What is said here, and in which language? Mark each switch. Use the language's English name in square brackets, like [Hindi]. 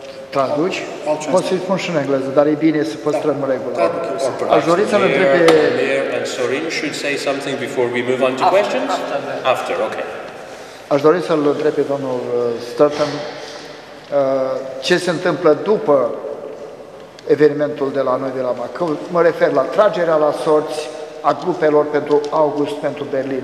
[Romanian] Traduci, poți să-i spun și în engleză, dar e bine să păstrăm regulă. Aș dori să-l întreb pe... [English] And Sorin should say something before we move on to questions? After, ok. [Romanian] Aș dori să-l întreb pe domnul Sturton ce se întâmplă după evenimentul de la noi de la Bacău. Mă refer la tragerea la sorți a grupelor pentru august, pentru Berlin.